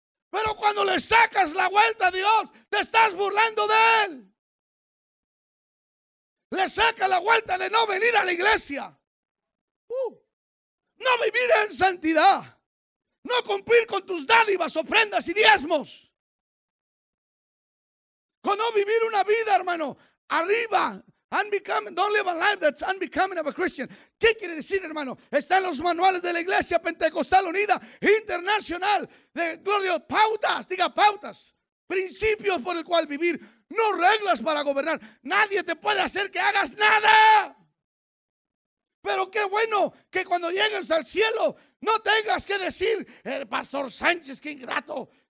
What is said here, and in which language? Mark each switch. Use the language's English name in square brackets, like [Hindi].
[Spanish] Pero cuando le sacas la vuelta a Dios, te estás burlando de Él. Le saca la vuelta de no venir a la iglesia. No vivir en santidad. No cumplir con tus dádivas, ofrendas y diezmos. Con no vivir una vida, hermano, arriba, [English] Unbecoming, don't live a life that's unbecoming of a Christian. [Spanish] ¿Qué quiere decir, hermano? Está en los manuales de la Iglesia Pentecostal Unida Internacional de Gloria. Pautas, diga pautas. Principios por el cual vivir. No reglas para gobernar. Nadie te puede hacer que hagas nada. Pero qué bueno que cuando llegues al cielo no tengas que decir: el pastor Sánchez, qué ingrato.